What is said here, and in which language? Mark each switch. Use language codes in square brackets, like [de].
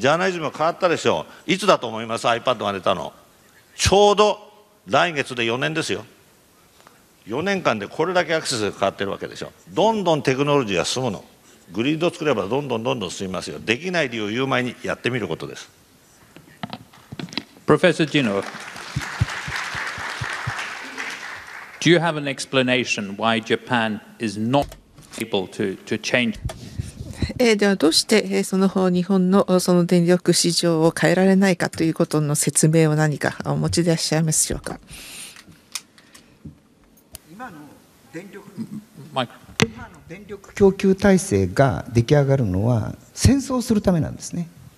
[ja] ジャーナリズムが変わったでしょう。いつだと思います iPad が出たの。ちょうど来月で4年ですよ。4年間でこれだけアクセスが変わってるわけでしょ。どんどんテクノロジーが進むの。グリッド作ればどんどんどんどん進みますよ。できない理由を言う前にやってみることです。 [en] プロフェッサー・ジーノ、Do you have an explanation why Japan is not able to change? [ja] ではどうしてその日本のその電力市場を変えられないかということの説明を何かお持ちでいらっしゃいますでしょうか。今の電力供給体制が出来上がるのは戦争するためなんですね。